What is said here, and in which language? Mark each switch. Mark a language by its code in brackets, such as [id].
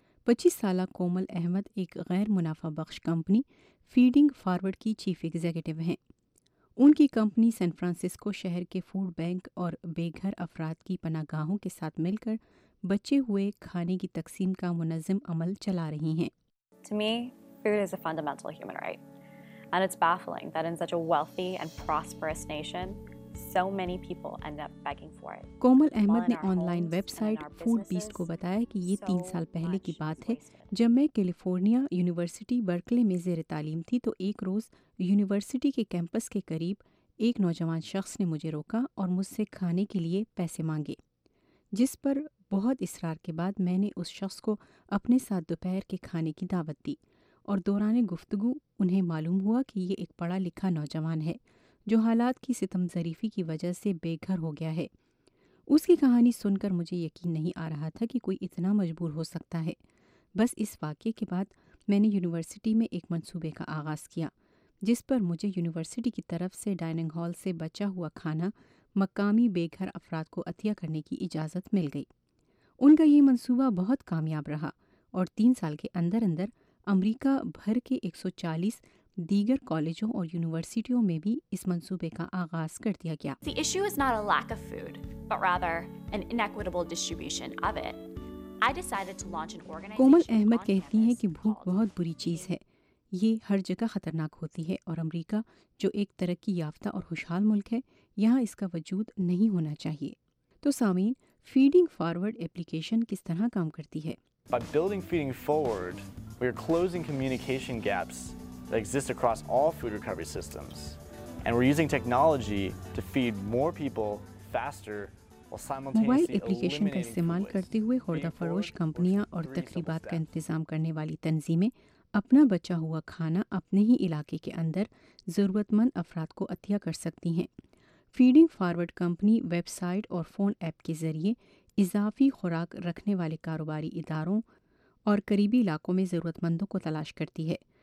[ur] 25 سالہ کومل احمد ایک غیر منافع بخش کمپنی فیڈنگ فارورڈ کی چیف ایگزیکٹو ہیں۔ ان کی کمپنی سین فرانسسکو شہر کے فوڈ بینک اور بے گھر افراد کی پناہ گاہوں کے ساتھ مل کر بچے ہوئے کھانے کی تقسیم کا منظم عمل چلا رہی ہیں۔ [en] To me, food is a fundamental human right. And it's baffling that in such a wealthy and prosperous nation, so many people end up begging for it. [ur] کومل احمد نے on line web site food best کو بتایا کہ یہ 3 سال پہلے کی بات ہے، جب میں کیلیفورنیا یونیورسٹی برکلے میں زیر تعلیم تھی تو ایک روز یونیورسٹی کے کیمپس کے قریب ایک نوجوان شخص نے مجھے روکا اور مجھ سے کھانے کے لیے پیسے مانگے، جس پر بہت اصرار کے بعد میں نے اس شخص کو اپنے ساتھ دوپہر کے کھانے کی دعوت دی، اور دوران گفتگو انہیں معلوم ہوا کہ یہ ایک پڑھا لکھا نوجوان ہے جو حالات کی ستم ظریفی کی وجہ سے بے گھر ہو گیا ہے۔ اس کی کہانی سن کر مجھے یقین نہیں آ رہا تھا کہ کوئی اتنا مجبور ہو سکتا ہے۔ بس اس واقعے کے بعد میں نے یونیورسٹی میں ایک منصوبے کا آغاز کیا جس پر مجھے یونیورسٹی کی طرف سے ڈائننگ ہال سے بچا ہوا کھانا مقامی بے گھر افراد کو عطیہ کرنے کی اجازت مل گئی۔ ان کا یہ منصوبہ بہت کامیاب رہا اور 3 سال کے اندر اندر امریکہ بھر کے 140 دیگر کالجوں اور یونیورسٹیوں میں بھی اس منصوبے کا آغاز کر دیا گیا۔ [en] The issue is not a lack of food, but rather an inequitable distribution of it. I decided to launch an organization. [ur] کومل احمد کہتی ہیں کہ بھوک بہت بری چیز ہے، یہ ہر جگہ خطرناک ہوتی ہے، اور امریکہ جو ایک ترقی یافتہ اور خوشحال ملک ہے، یہاں اس کا وجود نہیں ہونا چاہیے۔ تو سامعین، فیڈنگ فارورڈ ایپلیکیشن کس طرح کام کرتی ہے؟ [en] By building feeding forward, we are closing communication gaps that exist across all food recovery systems, and we're using technology to feed more people faster while simultaneously [ur] mobile application کا استعمال کرتے ہوئے خوردہ فروش کمپنیاں اور تقریبات کا انتظام کرنے والی تنظیمیں اپنا بچا ہوا کھانا اپنے ہی علاقے کے اندر ضرورت مند افراد کو عطیہ کر سکتی ہیں۔ Feeding forward company web site اور فون ایپ کے ذریعے اضافی خوراک رکھنے والے کاروباری اداروں اور قریبی علاقوں میں ضرورت مندوں کو تلاش کرتی ہے۔